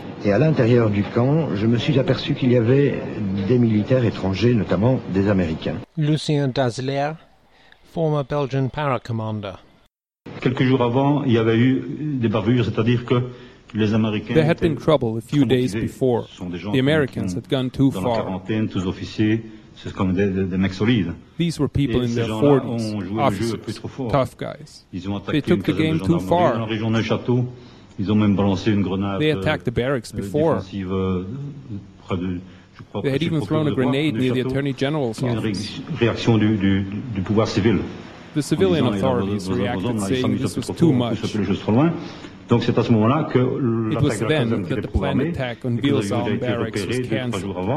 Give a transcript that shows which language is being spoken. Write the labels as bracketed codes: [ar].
[fr] Et à l'intérieur du camp, je me suis aperçu qu'il y avait des militaires étrangers, notamment des Américains. [en] Lucien Dazler, former Belgian paracommander. [fr] Quelques jours avant, il y avait eu des bavures, c'est-à-dire que les Américains. [en] There had been trouble a few days before. The Americans had gone too far. [fr] Dans la quarantaine, tous officiers, c'est comme des mecs solides. [en] These were people in their 40s, officers, tough guys. [fr] Ils ont attaqué la région de la région de Château. Ils ont même balancé une grenade. [en] They attacked the barracks before. They had even thrown a grenade near the Attorney General's office. [fr] Réaction du pouvoir civil. [en] The civilian authorities reacted, saying this was too much. [fr] Donc c'est à ce moment-là que [en] it was then that the planned attack on Bielsaal barracks was cancelled.